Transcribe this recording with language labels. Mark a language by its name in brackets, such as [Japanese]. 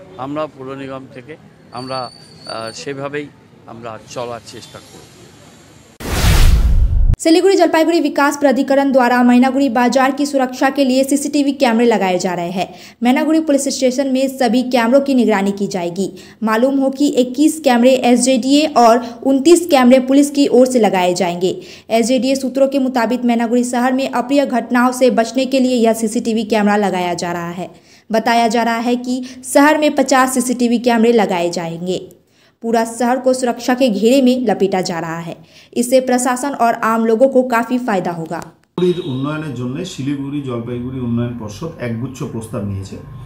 [Bangla] আমরা পৌর নিগম থেকে আমরা সেভাবেই আমরা চলার চেষ্টা করব। [Hindi] सिलीगुड़ी जलपाईगुड़ी विकास प्राधिकरण द्वारा मैनागुड़ी बाजार की सुरक्षा के लिए CCTV कैमरे लगाए जा रहे हैं। मैनागुड़ी पुलिस स्टेशन में सभी कैमरों की निगरानी की जाएगी। मालूम हो कि 21 कैमरे SJDA और 29 कैमरे पुलिस की ओर से लगाए जाएंगे। SJDA सूत्रों के मुताबिक मैनागुड़ी शहर में अप्रिय घटनाओं से बचने के लिए यह CCTV कैमरा लगाया जा रहा है। बताया जा रहा है कि शहर में 50 CCTV कैमरे लगाए जाएंगे। पूरा शहर को सुरक्षा के घेरे में लपेटा जा रहा है, इससे प्रशासन और आम लोगों को काफी फायदा होगा। [Bangla] উন্নয়নের জন্য শিলিগুড়ি জলপাইগুড়ি উন্নয়ন পরিষদ একগুচ্ছ প্রস্তাব নিয়েছে।